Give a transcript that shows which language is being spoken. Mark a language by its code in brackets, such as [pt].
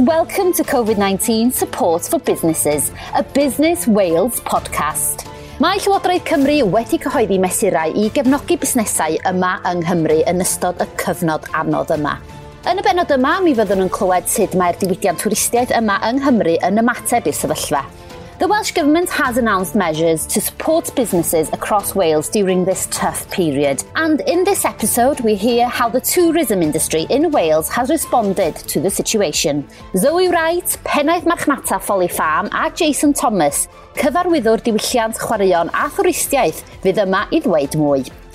[en] Welcome to COVID-19 Support for Businesses, a Business Wales podcast. [cy] Mae Llywodraeth Cymru wedi cyhoeddi mesurau I gefnogi busnesau yma yng Nghymru yn ystod y cyfnod anodd yma. Yn y bennod yma, mi fyddwn yn clywed sut mae'r diwydiant twristiaeth yma yng Nghymru yn ymateb i'r sefyllfa. [en] The Welsh Government has announced measures to support businesses across Wales during this tough period. And in this episode, we hear how the tourism industry in Wales has responded to the situation. [cy] Zoe Wright, Pennaeth Marchnata Folly Farm a Jason Thomas, Cyfarwyddwr Diwylliant, Chwaraeon a Thwristiaeth, fydd yma I ddweud mwy.